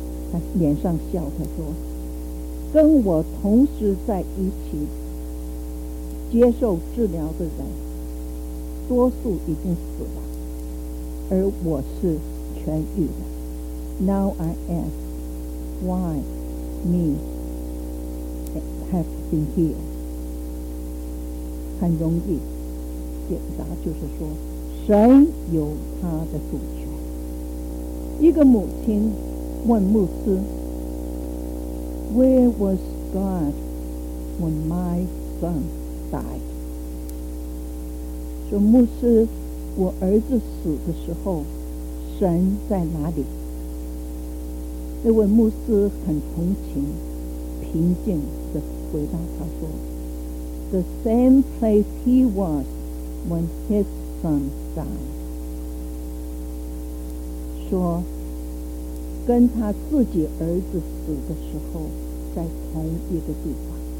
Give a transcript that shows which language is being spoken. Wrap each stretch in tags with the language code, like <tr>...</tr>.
<zh>他脸上笑，他说，跟我同时在一起接受治疗的人，多数已经死了，而我是痊愈的。</zh> <en>Now I ask why me have been here.</en> <zh>很容易解答，就是说神有他的主权。一个母亲问牧师</zh> <en>Where was God when my son died?</en> <zh>说牧师，我儿子死的时候神在哪里？那位牧师很同情，平静地回答他说</zh> <en>The same place he was when his son died，</en> <zh>说跟他自己儿子死的时候在同一个地方。</zh>